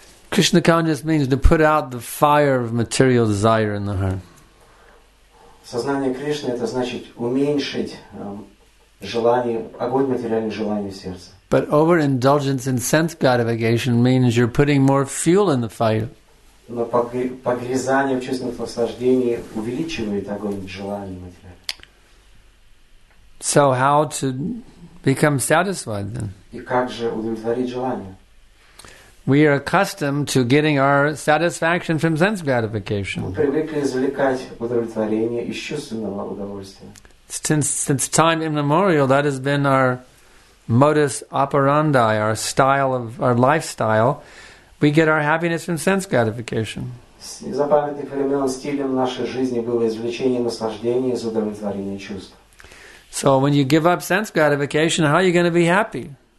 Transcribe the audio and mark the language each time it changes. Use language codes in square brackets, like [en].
[en] Krishna consciousness means to put out the fire of material desire in the heart. [ru] Сознание Кришны — это значит уменьшить желание, огонь материальных желаний в сердце. [en] But overindulgence in sense gratification means you're putting more fuel in the fire. [ru] Но погрязание в чувственных наслаждениях увеличивает огонь желаний материальных. [en] So how to become satisfied then? [ru] И как же удовлетворить желание? [en] We are accustomed to getting our satisfaction from sense gratification. [ru] Мы привыкли извлекать удовлетворение из чувственного удовольствия. [en] Since time immemorial, that has been our modus operandi, our style of our lifestyle. We get our happiness from sense gratification. So when you give up sense gratification, how are you going to be happy?